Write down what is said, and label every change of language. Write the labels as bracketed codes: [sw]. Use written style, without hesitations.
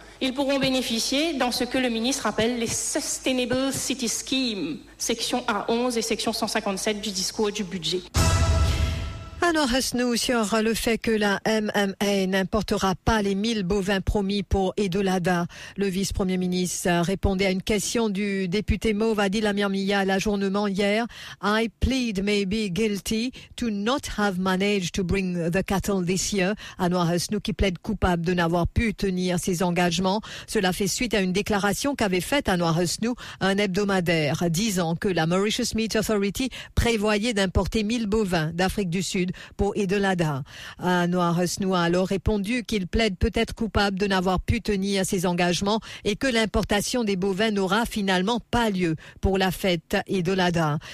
[fr] Ils pourront bénéficier dans ce que le ministre appelle les Sustainable City Schemes, section A11 et section 157 du discours du budget. Alors, reste-nous sur le fait que la MMA n'importera pas les 1000 bovins promis pour Edolada. Le vice-premier ministre répondait à une question du député Mauve Adil Amirmiya à l'ajournement hier. [en] I plead maybe guilty to not have managed to bring the cattle this year. [fr] Anwar Hasnou qui plaide coupable de n'avoir pu tenir ses engagements. Cela fait suite à une déclaration qu'avait faite Anwar Hasnou un hebdomadaire, disant que la Mauritius Meat Authority prévoyait d'importer 1000 bovins d'Afrique du Sud pour Edolada. Anwar Hasnou a alors répondu qu'il plaide peut-être coupable de n'avoir pu tenir ses engagements et que l'importation des bovins n'aura finalement pas lieu pour la fête Edolada.